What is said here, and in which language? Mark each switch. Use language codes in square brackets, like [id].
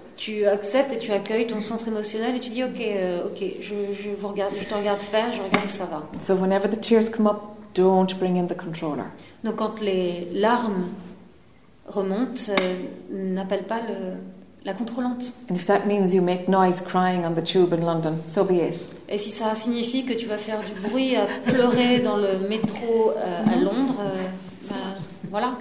[fr] Tu acceptes et tu accueilles ton centre émotionnel et tu dis ok, je vous regarde, je te regarde faire, je regarde où ça va. [en] So whenever the tears come up, don't bring in the controller. [fr] Donc quand les larmes remontent, n'appelle pas la contrôlante. [en] And if that means you make noise crying on the tube in London, so be it. [fr] Et si ça signifie que tu vas faire du bruit à pleurer dans le métro à Londres, voilà.